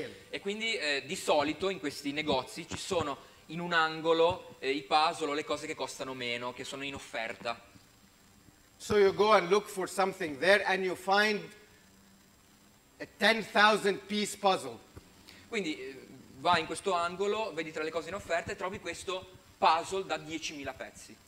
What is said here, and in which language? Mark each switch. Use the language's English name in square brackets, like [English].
[Italian] E quindi di solito in questi negozi ci sono in un angolo i puzzle o le cose che costano meno, che sono in offerta. [English] So you go and look for something there and you find a 10,000 piece puzzle. [Italian] Quindi vai in questo angolo, vedi tra le cose in offerta e trovi questo puzzle da 10,000 pezzi.